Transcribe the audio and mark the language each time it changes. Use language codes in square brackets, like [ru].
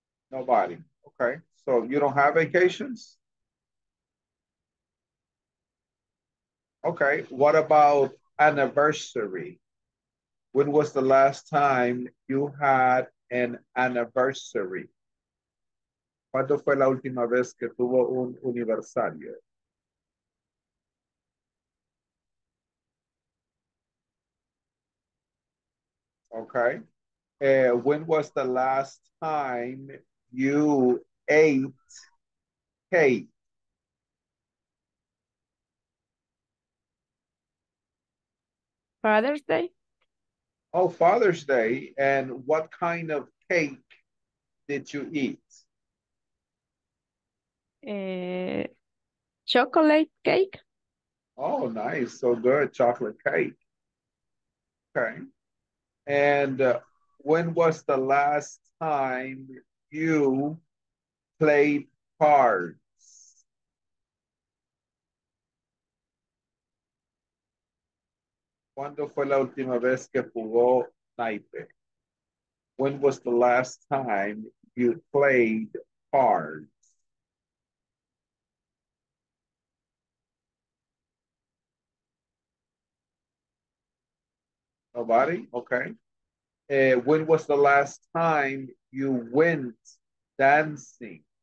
[en] Nobody. Okay. So you don't have vacations? Okay. What about anniversary? When was the last time you had an anniversary? [es] ¿Cuándo fue la última vez que tuvo un aniversario? [en] Okay. When was the last time you ate cake? Father's Day. Oh, Father's Day. And what kind of cake did you eat? Chocolate cake. Oh, nice. So good. Chocolate cake. Okay. And when was the last time you played cards? [es] ¿Cuándo fue la última vez que jugó naipe? [en] When was the last time you played cards? Nobody? Okay. When was the last time you went dancing?